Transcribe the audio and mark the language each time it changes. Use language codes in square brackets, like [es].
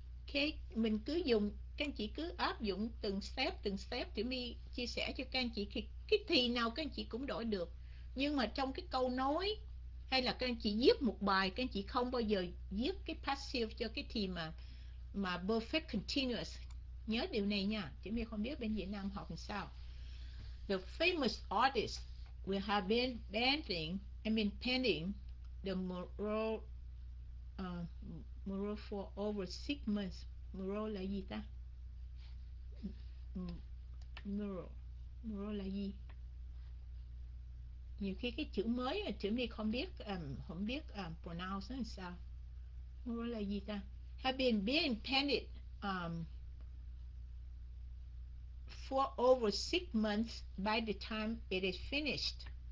[vi] Ok, mình cứ dùng, các anh chị cứ áp dụng từng step, để mình chia sẻ cho các anh chị. Cái thì nào các anh chị cũng đổi được. Nhưng mà trong cái câu nói, hay là các anh chị viết một bài, các anh chị không bao giờ viết cái passive cho cái thì mà perfect continuous. Nhớ điều này nha. Chị mình không biết bên Việt Nam học làm sao. [en] The famous artist will have been painting, I mean painting the mural for over 6 months. [vi] Mural là gì ta? Mural là gì? Nhiều khi cái chữ mới mà chị mình không biết pronounce nó làm sao. Mural là gì ta? [en] Have been being painted for over 6 months by the time it is finished.